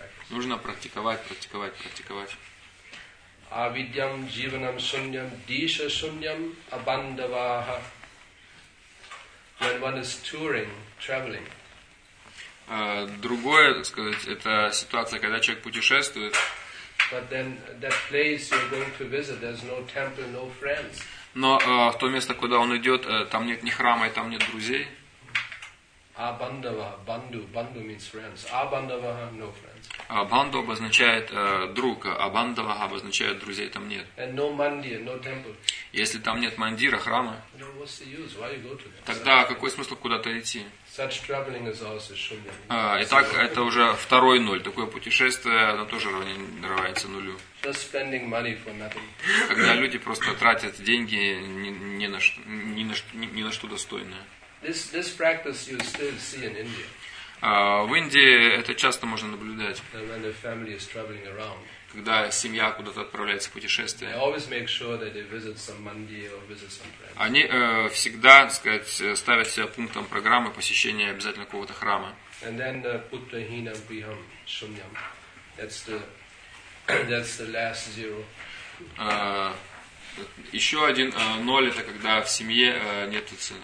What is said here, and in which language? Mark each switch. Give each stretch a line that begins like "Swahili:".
Russian: Нужно практиковать, практиковать, практиковать.
Sanskrit: Авидьям дживанам шуньям диша шуньям абандаваха.
English: When one is touring, traveling.
Russian: Другое, так сказать, это ситуация, когда человек путешествует.
English: But then that place you're going to visit, there's no temple, no friends.
Russian: Но в то место, куда он идет, там нет ни храма, и там нет друзей.
English: Абандава, банду, банду means friends. Абандава, no friends.
Russian: Банду обозначает друг, абандава обозначает друзей, там нет.
English: And no mandir, no temple.
Russian: Если там нет мандира, храма,
English: no, what's the use? Why you go to that?
Russian: Тогда какой смысл куда-то идти?
English: Such traveling is also shunya.
Russian: Итак, это уже второй ноль. Такое путешествие, оно тоже равняется нулю.
English: Just spending money for nothing.
Russian: Когда люди просто тратят деньги ни на что достойное.
English: This practice you still see in India.
Russian: В Индии это часто можно наблюдать.
English: When the family is traveling around.
Russian: Когда семья куда-то отправляется в путешествие.
English: They always make sure that they visit some mandir or visit some friends.
Russian: Они всегда, так сказать, ставят себя пунктом программы посещения обязательно какого-то храма.
English: And then put the
Sanskrit: hinam viham shunyam.
English: That's the last zero.
Russian: Еще один ноль, это когда в семье нет цены.